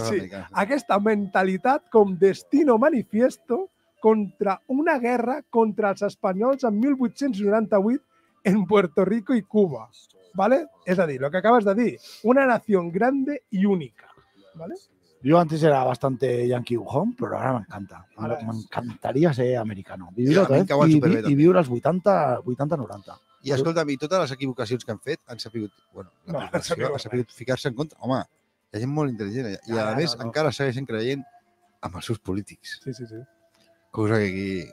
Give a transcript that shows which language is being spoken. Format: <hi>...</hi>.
<ca>sí, aquesta mentalitat com</ca> <es>destino manifiesto</es> <ca>contra una guerra contra els espanyols en 1898 en Puerto Rico i Cuba. ¿Vale? És a dir, el que acabes de dir, una nació grande i única. ¿Vale?</ca> <es>Yo antes era bastante yankee</es> <ca>home, però ara m'encanta.</ca> <es>Me encantaría ser americano. Vivir otra vez y</es> <ca>viure els 80-90. I escolta'm, i totes les equivocacions que han fet han sabut, bueno, la sabut ficar-se en contra. Home, hi ha gent molt intel·ligent. I a més, no. Encara segueixen creient amb els seus polítics. Sí, sí, sí. Cosa que aquí...</ca>